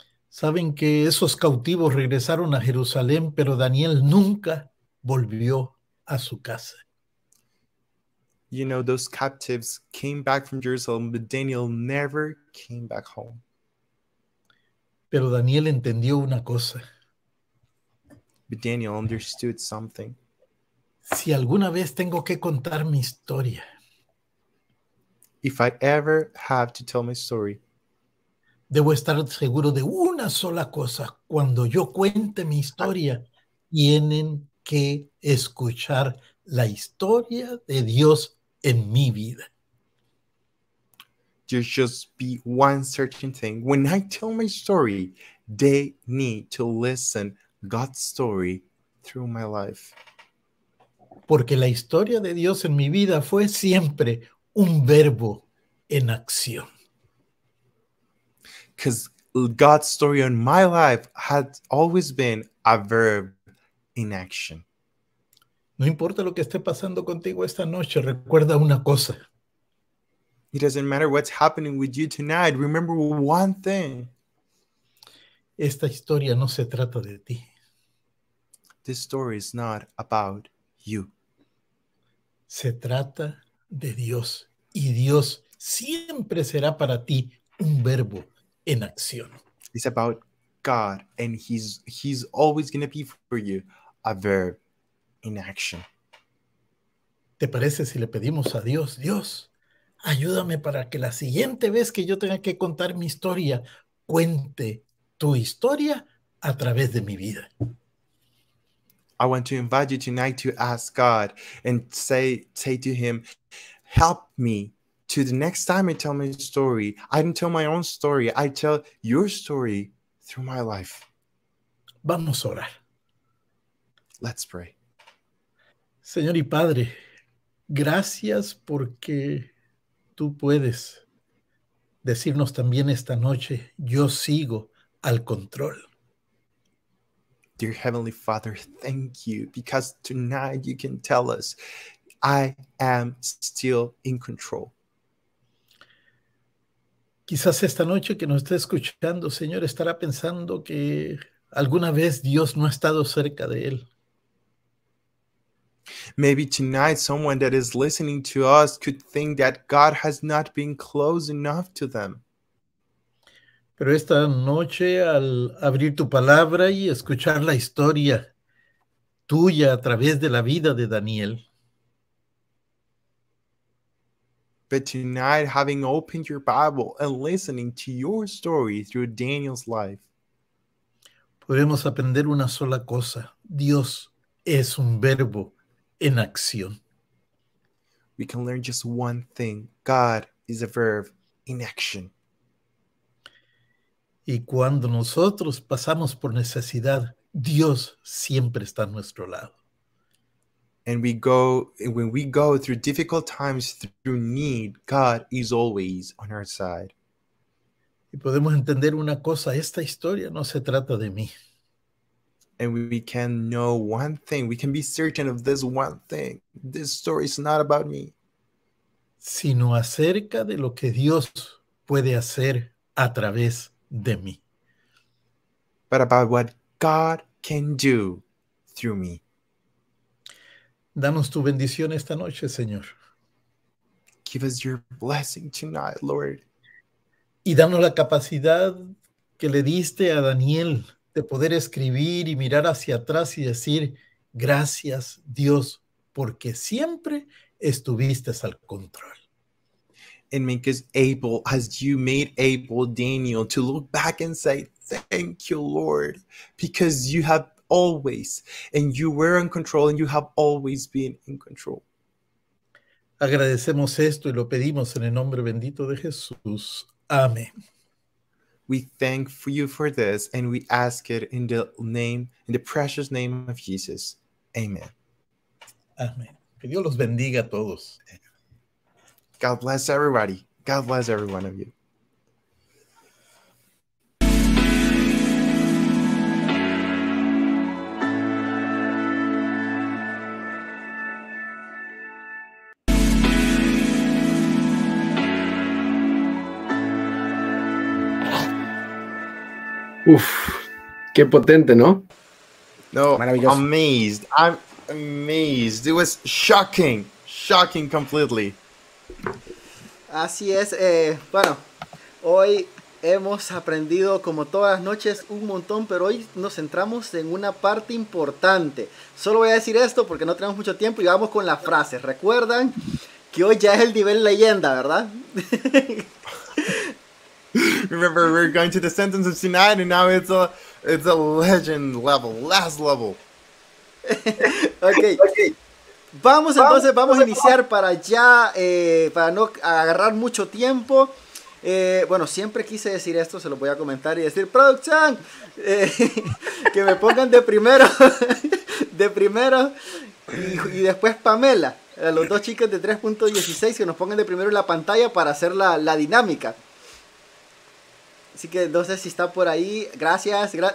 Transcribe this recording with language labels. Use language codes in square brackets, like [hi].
[es] Saben que esos cautivos regresaron a Jerusalén, pero Daniel nunca volvió a su casa. [en] You know, those captives came back from Jerusalem, but Daniel never came back home. [es] Pero Daniel entendió una cosa. [en] But Daniel understood something. [es] Si alguna vez tengo que contar mi historia. [en] If I ever have to tell my story. [es] Debo estar seguro de una sola cosa. Cuando yo cuente mi historia, tienen que escuchar la historia de Dios en mi vida. [en] There's just be one certain thing. When I tell my story, they need to listen God's story through my life. [es] Porque la historia de Dios en mi vida fue siempre un verbo en acción. [en] Because God's story on my life had always been a verb in action. [es] No importa lo que esté pasando contigo esta noche, recuerda una cosa. [en] It doesn't matter what's happening with you tonight. Remember one thing. [es] Esta historia no se trata de ti. [en] This story is not about you. [es] Se trata de Dios. Y Dios siempre será para ti un verbo en acción. [en] It's about God, and he's always going to be for you a verb in action. [es] ¿Te parece si le pedimos a Dios, Dios, ayúdame para que la siguiente vez que yo tenga que contar mi historia, cuente tu historia a través de mi vida? [en] I want to invite you tonight to ask God and say to him, help me to the next time I tell my story. I don't tell my own story. I tell your story through my life. [es] Vamos a orar. [en] Let's pray. [es] Señor y Padre, gracias porque tú puedes decirnos también esta noche, yo sigo al control. [en] Dear Heavenly Father, thank you, because tonight you can tell us, I am still in control. [es] Quizás esta noche que nos esté escuchando, Señor, estará pensando que alguna vez Dios no ha estado cerca de él. [en] Maybe tonight someone that is listening to us could think that God has not been close enough to them. [es] Pero esta noche, al abrir tu palabra y escuchar la historia tuya a través de la vida de Daniel. [en] But tonight, having opened your Bible and listening to your story through Daniel's life, [es] podemos aprender una sola cosa. Dios es un verbo en acción. [en] We can learn just one thing. God is a verb in action. [es] Y cuando nosotros pasamos por necesidad, Dios siempre está a nuestro lado. [en] And when we go through difficult times, through need, God is always on our side. [es] Y podemos entender una cosa, esta historia no se trata de mí. [en] And we can know one thing, we can be certain of this one thing. This story is not about me. [es] Sino acerca de lo que Dios puede hacer a través de mí. [en] But about what God can do through me. [es] Danos tu bendición esta noche, Señor. [en] Give us your blessing tonight, Lord. [es] Y danos la capacidad que le diste a Daniel de poder escribir y mirar hacia atrás y decir, gracias, Dios, porque siempre estuviste al control. [en] And make us able, as you made able Daniel, to look back and say, thank you, Lord, because you have always, and you were in control, and you have always been in control. [es] Agradecemos esto y lo pedimos en el nombre bendito de Jesús. Amén. [en] We thank you for this, and we ask it in the name, in the precious name of Jesus. Amen. [es] Amén. Que Dios los bendiga a todos. [en] God bless everybody. God bless every one of you. [es] Uf, qué potente, ¿no? No, maravilloso. [en] Amazed. I'm amazed. It was shocking. Shocking completely. [es] Así es, bueno, hoy hemos aprendido como todas las noches un montón, pero hoy nos centramos en una parte importante. Solo voy a decir esto porque no tenemos mucho tiempo y vamos con las frases. Recuerdan que hoy ya es el nivel leyenda, ¿verdad? [en] Remember, we're going to the sentences tonight and now it's a legend level, last level. Okay. [es] Vamos entonces, vamos a iniciar para ya, para no agarrar mucho tiempo. Bueno, siempre quise decir esto, se lo voy a comentar y decir, producción, que me pongan de primero, y después Pamela, a los dos chicos de 3.16, que nos pongan de primero en la pantalla para hacer la dinámica. Así que no sé si está por ahí, gracias,